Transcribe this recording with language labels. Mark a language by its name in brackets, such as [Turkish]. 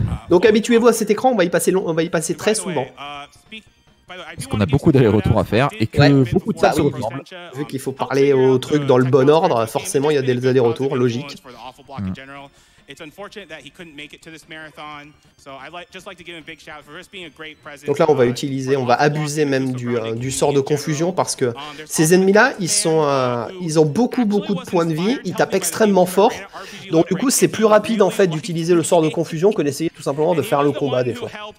[French] Donc habituez-vous à cet écran, on va y passer très souvent. Parce qu'on a beaucoup d'allers-retours à faire et que beaucoup de ça se ressemble. Vu qu'il faut parler au truc dans le bon ordre, forcément il y a des allers-retours, logique. [English] It's unfortunate that he couldn't make it to this marathon. So I just like to give him a big shout for just being a great president. [French] Donc là, on va utiliser, on va abuser même du sort de confusion parce que ces ennemis-là, ils ont beaucoup de points de vie. Ils tapent extrêmement fort. Donc du coup, c'est plus rapide en fait d'utiliser le sort de confusion que d'essayer tout simplement de faire le combat des fois.